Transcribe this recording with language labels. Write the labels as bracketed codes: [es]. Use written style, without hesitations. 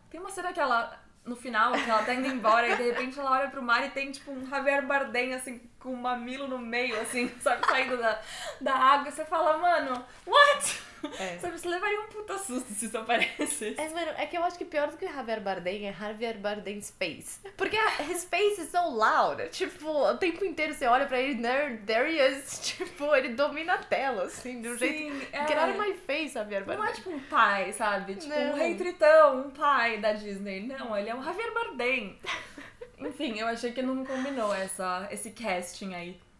[pt] Tem uma cena que ela, no final, que ela tá indo embora e de repente ela olha pro mar e tem, tipo, um Javier Bardem, assim, com um mamilo no meio, assim, sabe, saindo da água. Você fala, mano, what? É. Sabe, você levaria um puta susto se isso aparecesse. É, mano, é que eu acho que pior do que Javier Bardem é Javier Bardem Space. Porque [en] his face is so loud. [pt] Tipo, o tempo inteiro você olha pra ele, [en] there he is. [pt] Tipo, ele domina a tela, assim, de um jeito... [en] Get out of my face, Javier Bardem. [pt] Não é tipo um pai, sabe? Tipo, não. Um rei tritão, um pai da Disney. Não, ele é um Javier Bardem. Enfim, eu achei que não combinou esse casting aí.